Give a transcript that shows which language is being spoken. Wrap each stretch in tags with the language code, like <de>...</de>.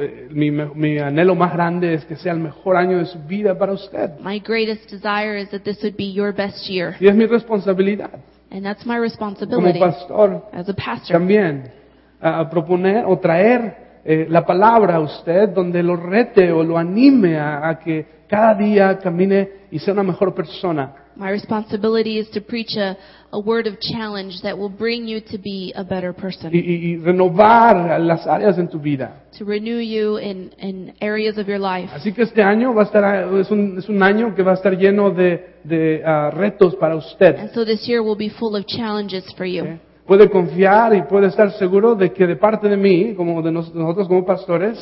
<es>Mi anhelo más grande es que sea el mejor año de su vida para usted.</es> <en>My greatest desire is that this would be your best year.</en> <es>Y es mi responsabilidad.</es> <en>And that's my responsibility.</en> <es>Como pastor,</es> <en>as a pastor.</en> <es>También, proponer o traer la palabra a usted, donde lo rete o lo anime a que cada día camine y sea una mejor persona.</es> <en>My responsibility is to preach a word of challenge that will bring you to be a better person.</en> <es>Y renovar las áreas en tu vida.</es> <en>To renew you in areas of your life.</en> <es>Así que este año va a estar es un año que va a estar lleno de retos para usted.</es> <en>And so this year will be full of challenges for you. Okay.</en> <es>Puede confiar y puede estar seguro de que de parte de mí, como de nosotros como pastores,</es>